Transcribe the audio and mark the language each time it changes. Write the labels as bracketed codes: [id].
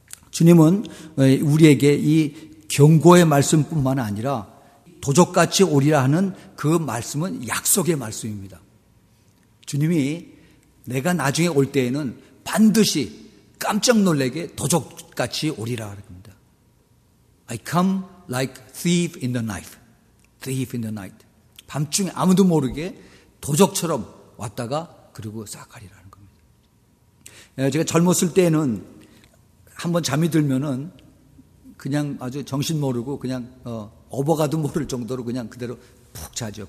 [ko] 주님은 우리에게 이 경고의 말씀뿐만 아니라 도적같이 오리라 하는 그 말씀은 약속의 말씀입니다. 주님이 내가 나중에 올 때에는 반드시 깜짝 놀래게 도적같이 오리라 하는 겁니다. [en] I come like thief in the night. Thief in the night. [ko] 밤중에 아무도 모르게 도적처럼 왔다가 그리고 싹 가리라는 겁니다. 제가 젊었을 때는 한번 잠이 들면은 그냥 아주 정신 모르고 그냥 업어가도 모를 정도로 그냥 그대로 푹 자죠.